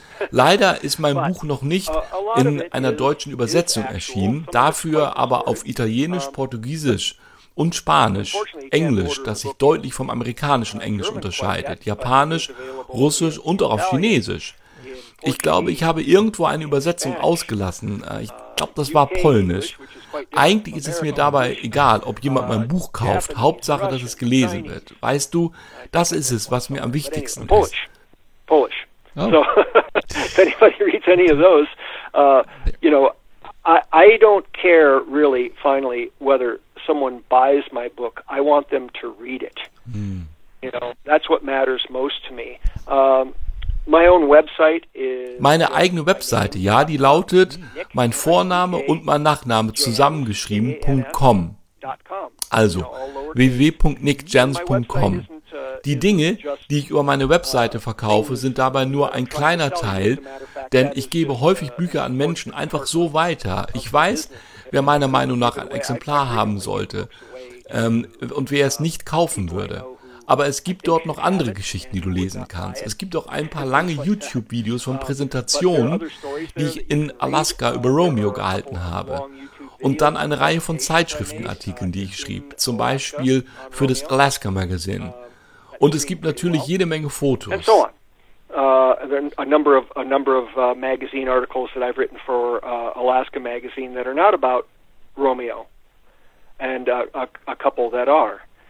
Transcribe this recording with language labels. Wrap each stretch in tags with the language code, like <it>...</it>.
<de>Leider ist mein Buch noch nicht in einer deutschen Übersetzung erschienen, dafür aber auf Italienisch, Portugiesisch und Spanisch, Englisch, das sich deutlich vom amerikanischen Englisch unterscheidet, Japanisch, Russisch und auch auf Chinesisch. Ich glaube, ich habe irgendwo eine Übersetzung ausgelassen. Ich glaube, das war Polnisch. Eigentlich ist es mir dabei egal, ob jemand mein Buch kauft. Hauptsache, dass es gelesen wird. Weißt du, das ist es, was mir am wichtigsten ist.</de> <en>Polish. Polish. Oh. So, if anybody reads any of those, I don't care really, finally, whether someone buys my book. I want them to read it. That's what matters most to me.</en> <de>Meine eigene Webseite, ja, die lautet mein Vorname und mein Nachname zusammengeschrieben.com. Also www.nickjans.com. Die Dinge, die ich über meine Webseite verkaufe, sind dabei nur ein kleiner Teil, denn ich gebe häufig Bücher an Menschen einfach so weiter. Ich weiß, wer meiner Meinung nach ein Exemplar haben sollte und wer es nicht kaufen würde. Aber es gibt dort noch andere Geschichten, die du lesen kannst. Es gibt auch ein paar lange YouTube-Videos von Präsentationen, die ich in Alaska über Romeo gehalten habe. Und dann eine Reihe von Zeitschriftenartikeln, die ich schrieb, zum Beispiel für das Alaska Magazine. Und es gibt natürlich jede Menge Fotos.</de> <en>And so on. A number of magazine articles that I've written for Alaska Magazine that are not about Romeo, and a couple that are.</en>